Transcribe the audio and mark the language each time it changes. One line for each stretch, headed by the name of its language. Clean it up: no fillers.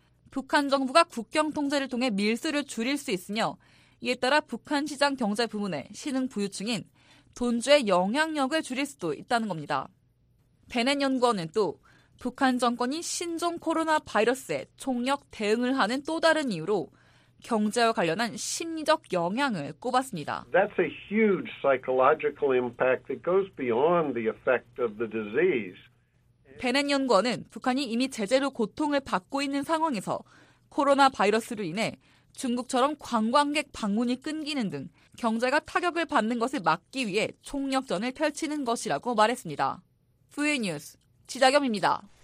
Korean: 북한 정부가 국경 통제를 통해 밀수를 줄일 수 있으며 이에 따라 북한 시장 경제 부문의 신흥 부유층인 돈주의 영향력을 줄일 수도 있다는 겁니다. 베넷 연구원은 또 북한 정권이 신종 코로나 바이러스에 총력 대응을 하는 또 다른 이유로 경제와 관련한 심리적 영향을 꼽았습니다.
English: That's a huge psychological impact that goes beyond the effect of the disease.
Korean: 베넷 연구원은 북한이 이미 제재로 고통을 받고 있는 상황에서 코로나 바이러스로 인해 중국처럼 관광객 방문이 끊기는 등 경제가 타격을 받는 것을 막기 위해 총력전을 펼치는 것이라고 말했습니다. 후에 뉴스 지자겸입니다.